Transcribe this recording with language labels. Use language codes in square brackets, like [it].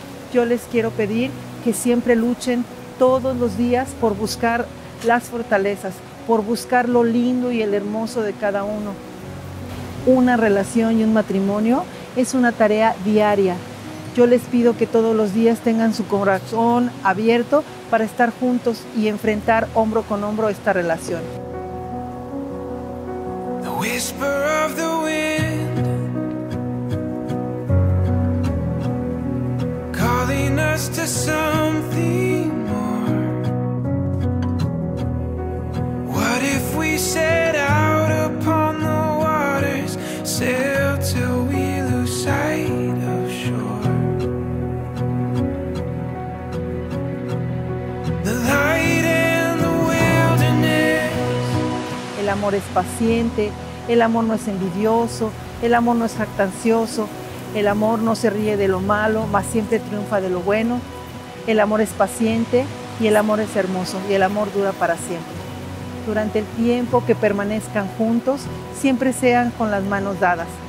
[es] Yo les quiero pedir que siempre luchen todos los días por buscar las fortalezas, por buscar lo lindo y el hermoso de cada uno. Una relación y un matrimonio es una tarea diaria. Yo les pido que todos los días tengan su corazón abierto para estar juntos y enfrentar hombro con hombro esta relación. [en] Whisper of the wind, calling us to something more. What if we set out upon the waters, sail till we lose sight of shore? The light and the wilderness. [es] El amor es paciente. El amor no es envidioso, el amor no es jactancioso, el amor no se ríe de lo malo, mas siempre triunfa de lo bueno. El amor es paciente y el amor es hermoso y el amor dura para siempre. Durante el tiempo que permanezcan juntos, siempre sean con las manos dadas.